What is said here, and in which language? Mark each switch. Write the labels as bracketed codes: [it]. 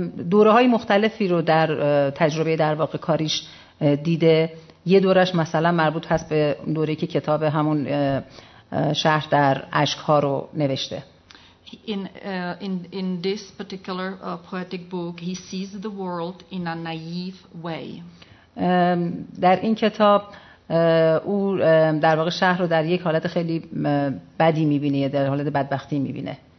[fa] دوره‌های مختلفی رو در تجربه در واقع کاریش دیده. یه دورش مثلا مربوط هست به دوره‌ای که کتاب همون شهر در اشک‌ها رو نوشته. [en] In this particular poetic book he sees the world in a naive way. [fa] در این کتاب او در واقع شهر رو در یک حالت خیلی بدی می‌بینه، در حالت بدبختی می‌بینه.